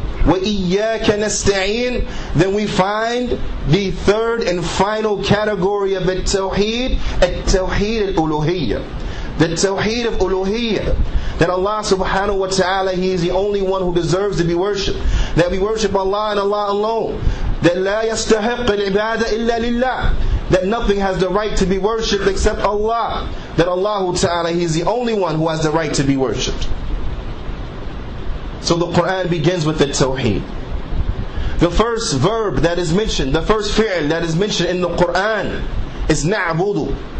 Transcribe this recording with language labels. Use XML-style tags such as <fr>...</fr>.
<ar>وَإِيَّاكَ نَسْتَعِينَ.</ar> <en>Then we find the third and final category of التوحيد,</en> <ar>التوحيد الألوهية.</ar> <en>The Tawheed of Uluhiyya, that Allah subhanahu wa ta'ala, He is the only one who deserves to be worshipped. That we worship Allah and Allah alone.</en> <ar>That لا يستحق العبادة إلا لله.</ar> <en>That nothing has the right to be worshipped except Allah. That Allah ta'ala, He is the only one who has the right to be worshipped. So the Quran begins with the Tawheed. The first verb that is mentioned, the first fi'l that is mentioned in the Quran is na'budu.</en>